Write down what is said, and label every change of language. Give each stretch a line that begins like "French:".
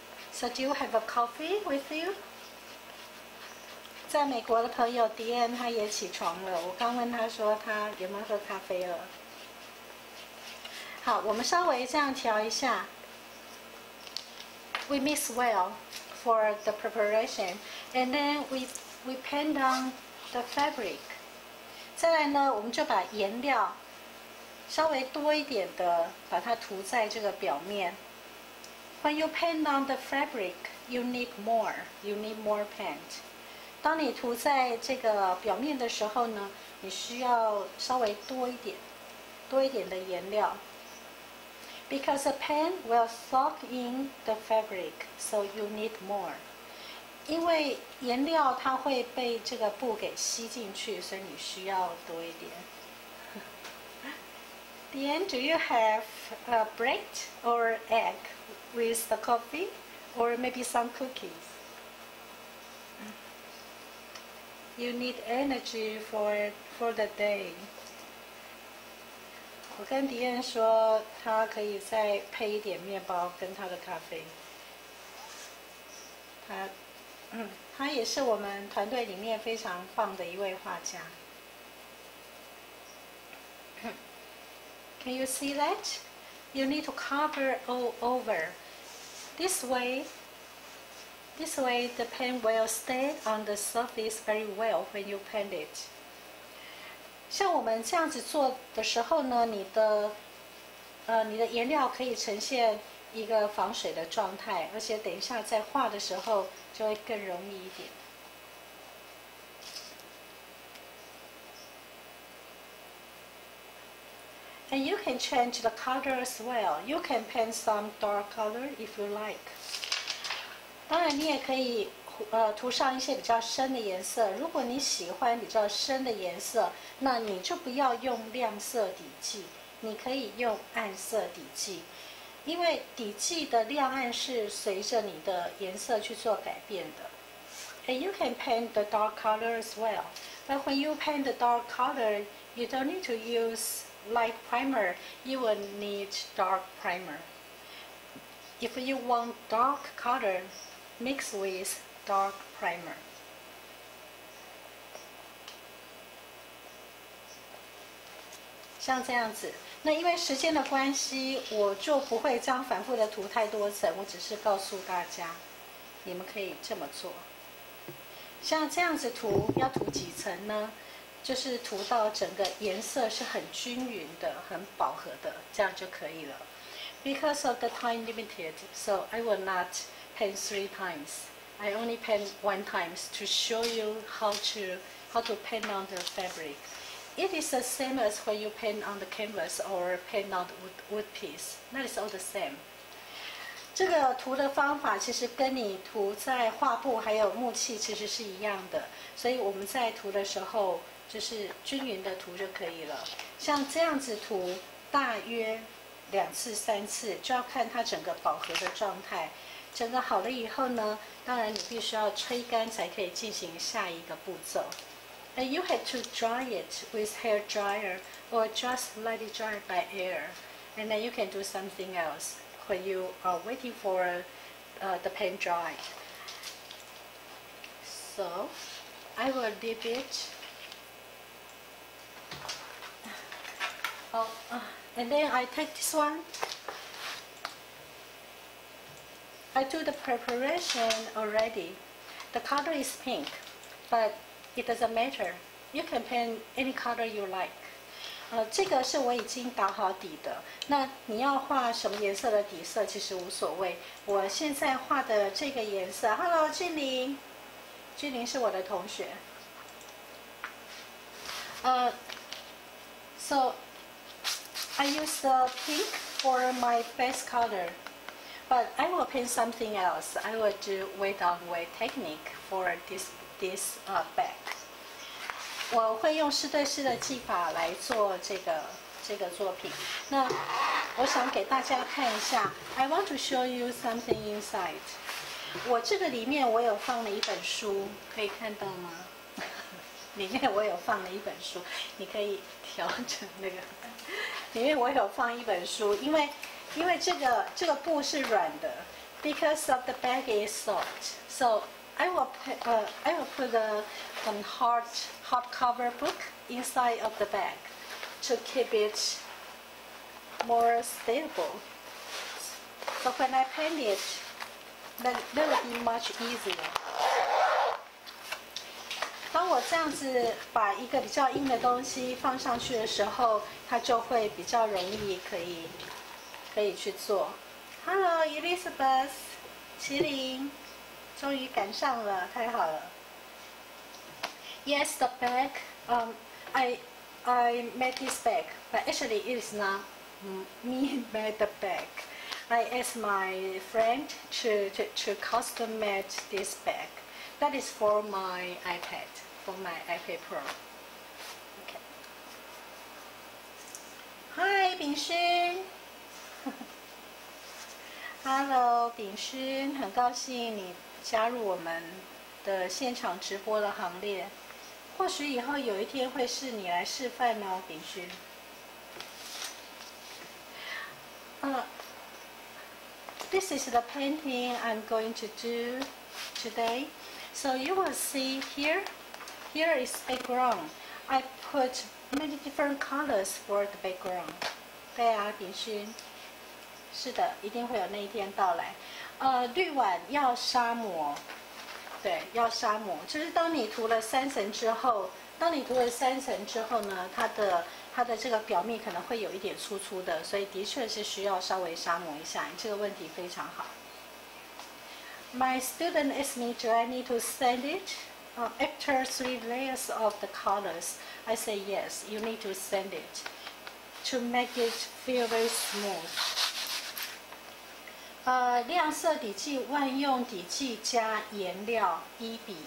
English: So do you have a coffee with you?
Chinese: 在美国的朋友 Diane 她也起床了。我刚问她说她有没有喝咖啡了。好，我们稍微这样调一下。
English: We mix well for the preparation, and then we pan down. The fabric.
Chinese: 再来呢，我们就把颜料稍微多一点的把它涂在这个表面。
English: When you paint on the fabric, you need more. You need more paint.
Chinese: 当你涂在这个表面的时候呢，你需要稍微多一点的颜料。
English: Because the paint will soak in the fabric, so you need more.
Chinese: 因为颜料它会被这个布给吸进去，所以你需要多一点。
English: Then, do you have a bread or egg with the coffee, or maybe some cookies? You need energy for the day.
Chinese: 我跟迪恩说，他可以再配一点面包跟他的咖啡。他也是我们团队里面非常棒的一位画家。
English: Can you see that? You need to cover all over. This way the pen will stay on the surface very well when you paint it.
Chinese: 像我们这样子做的时候呢，你的颜料可以呈现一个防水的状态，而且等一下在画的时候就会更容易一点。
English: And you can change the color as well. You can paint some dark color if you like.
Chinese: 当然你也可以涂上一些比较深的颜色。如果你喜欢比较深的颜色，那你就不要用亮色底剂，你可以用暗色底剂。因为底剂的亮暗是随着你的颜色去做改变的。
English: And you can paint the dark color as well. But when you paint the dark color, you don't need to use light primer, you will need dark primer. If you want dark color, mix with dark primer.
Chinese: 像这样子，那因为时间的关系，我就不会这样反复的涂太多层，我只是告诉大家，你们可以这么做。像这样子涂，要涂几层呢？就是涂到整个颜色是很均匀的、很饱和的，这样就可以了。
English: Because of the time limited, so I will not paint three times. I only paint one times to show you how to paint on the fabric. It is the same as when you paint on the canvas or paint on the wood piece. That is all the same.
Chinese: 这个涂的方法其实跟你涂在画布还有木器其实是一样的，所以我们在涂的时候，就是均匀的涂就可以了。像这样子涂大约两次三次，就要看它整个饱和的状态。整个好了以后呢，当然你必须要吹干才可以进行下一个步骤。
English: And you have to dry it with hair dryer or just let it dry by air. And then you can do something else when you are waiting for the pen dry. So, I will dip it. And then I take this one. I do the preparation already. The color is pink, but it doesn't matter. You can paint any color you like.
Chinese: 这个是我已经打好底的。那你要画什么颜色的底色其实无所谓。我现在画的这个颜色 ，Hello， 俊霖，俊霖是我的同学。
English: So. I use the pink for my base color, but I will paint something else. I will do weight-on-weight technique for this bag.
Chinese: 我会用试对试的技法来做这个作品。那我想给大家看一下。
English: I want to show you something inside.
Chinese: 我这个里面我有放了一本书，可以看到吗？里面我有放了一本书，你可以调整那个。里面我有放一本书，因为这个布是软的
English: ，because of the bag is soft, so I will put a hardcover book inside of the bag to keep it more stable. So when I paint it, that will be much easier.
Chinese: 当我这样子把一个比较硬的东西放上去的时候，它就会比较容易可以去做。 Hello, Elizabeth, 麒麟，终于赶上了，太好了。
English: Yes, the bag. I made this bag, but actually it is not me made the bag. I asked my friend to custom made this bag. That is for my iPad, for my iPad Pro. Okay. Hi, Bingxun. Hello, Bingxun.
Chinese: 很高兴你加入我们的现场直播的行列。或许以后有一天会是你来示范哦，炳勋。
English: This is the painting I'm going to do today. So you will see here, here is background. I put many different colors for the background.
Chinese: 对啊，炳勋。是的，一定会有那一天到来。滤碗要砂膜。对，要砂膜，就是当你涂了三层之后，呢，它的这个表面可能会有一点粗粗的，所以的确是需要稍微砂膜一下。你这个问题非常好。
English: My student asked me, do I need to sand it? After three layers of the colors, I say yes, you need to sand it to make it feel very smooth.
Chinese: 亮色底剂万用底剂加颜料1:1:1。